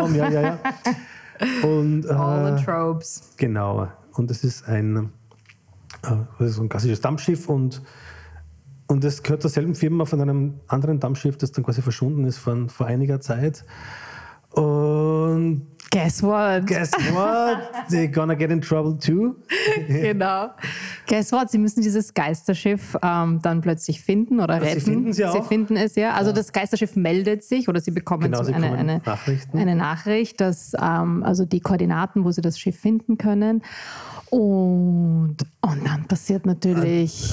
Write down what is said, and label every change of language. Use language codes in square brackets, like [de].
[de] Ja. Und, [en] all the tropes. [de] Genau. Und es ist ein klassisches Dampfschiff und es gehört derselben Firma von einem anderen Dampfschiff, das dann quasi verschwunden ist vor einiger Zeit. Und [en] Guess what? They're gonna get in trouble too. [de] Genau. [en] Guess what? [de] Sie müssen dieses Geisterschiff dann plötzlich finden oder retten. Sie finden sie auch. Sie finden es, ja. Also das Geisterschiff meldet sich oder sie bekommen, genau, sie bekommen eine Nachricht, dass also die Koordinaten, wo sie das Schiff finden können. Und dann passiert natürlich...